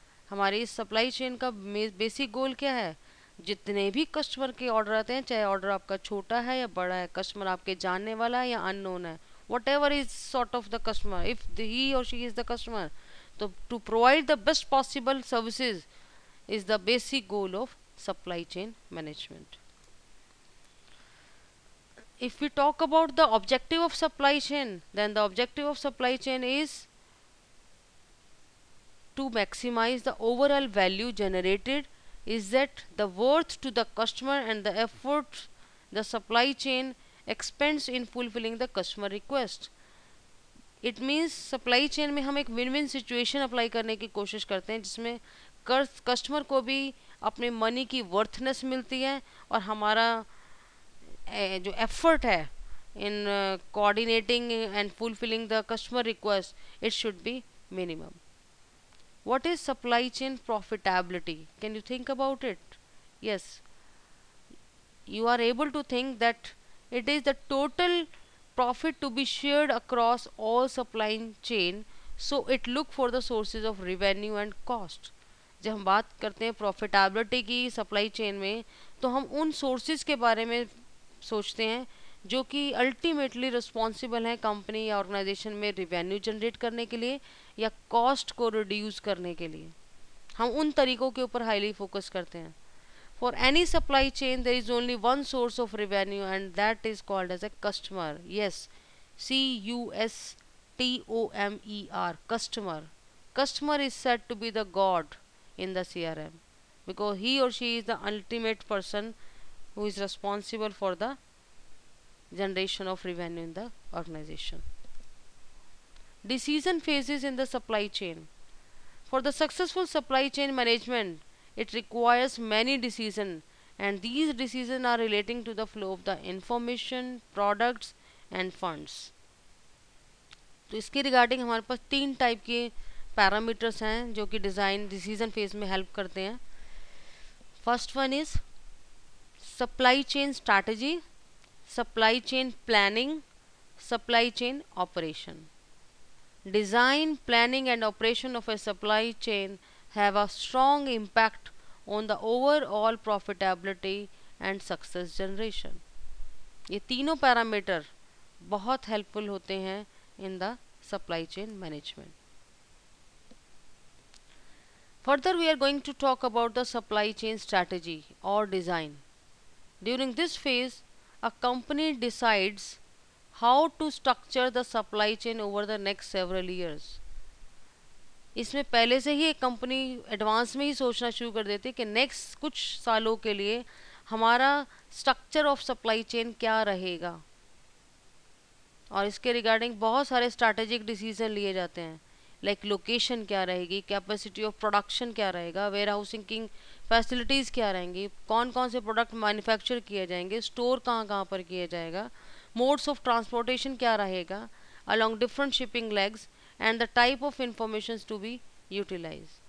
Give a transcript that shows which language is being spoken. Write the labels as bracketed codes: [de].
[hi] हमारी इस supply chain का बेसिक गोल क्या है? जितने भी कस्टमर के ऑर्डर आते हैं, चाहे ऑर्डर आपका छोटा है या बड़ा है, कस्टमर आपके जानने वाला है या अननोन है, [en] whatever is sort of the customer, [hi] if he और शी इज द कस्टमर, तो [en] To provide the best possible services is the basic goal of supply chain management. If we talk about the objective of supply chain, then the objective of supply chain is to maximize the overall value generated. Is that the worth to the customer and the effort the supply chain expends in fulfilling the customer request. [hi] It means supply chain में हम एक win-win situation apply करने की कोशिश करते हैं जिसमें customer को भी अपने मनी की वर्थनेस मिलती है और हमारा जो एफर्ट है [en] In coordinating and fulfilling the customer request, it should be minimum. What is supply chain profitability? Can you think about it? Yes, you are able to think that it is the total profit to be shared across all supply chain, so it look for the sources of revenue and cost. [hi] जब हम बात करते हैं profitability की supply chain में, तो हम उन सोर्सेज के बारे में सोचते हैं जो कि अल्टीमेटली रिस्पॉन्सिबल हैं कंपनी या ऑर्गेनाइजेशन में रिवेन्यू जनरेट करने के लिए या कॉस्ट को रिड्यूस करने के लिए. हम उन तरीकों के ऊपर हाईली फोकस करते हैं. [en] For any supply chain there is only one source of revenue and that is called as a customer. Yes, CUSTOMER, customer. Customer is said to be the god in the CRM because he और she is the ultimate person who is responsible for the generation of revenue in the organization. Decision phases in the supply chain. For the successful supply chain management, it requires many decision, and these decision are relating to the flow of the information, products and funds. [hi] तो इसके regarding हमारे पास तीन type के parameters हैं जो कि design decision phase में help करते हैं. [en] First one is supply chain strategy, supply chain planning, supply chain operation. Design, planning and operation of a supply chain have a strong impact on the overall profitability and success generation. [hi] ये तीनों parameter बहुत helpful होते हैं [en] In the supply chain management. Further we are going to talk about the supply chain strategy और design. During this phase a company decides how to structure the supply chain over the next several years. [hi] इसमें पहले से ही एक company advance में ही सोचना शुरू कर देती है कि नेक्स्ट कुछ सालों के लिए हमारा स्ट्रक्चर ऑफ सप्लाई चेन क्या रहेगा, और इसके रिगार्डिंग बहुत सारे स्ट्रैटेजिक डिसीजन लिए जाते हैं, लाइक लोकेशन क्या रहेगी, कैपेसिटी ऑफ प्रोडक्शन क्या रहेगा, वेयर हाउसिंग फैसिलिटीज़ क्या रहेंगी, कौन कौन से प्रोडक्ट मैन्युफैक्चर किए जाएंगे, स्टोर कहाँ कहाँ पर किया जाएगा, मोड्स ऑफ ट्रांसपोर्टेशन क्या रहेगा [en] Along different shipping legs and the type of information to be utilize.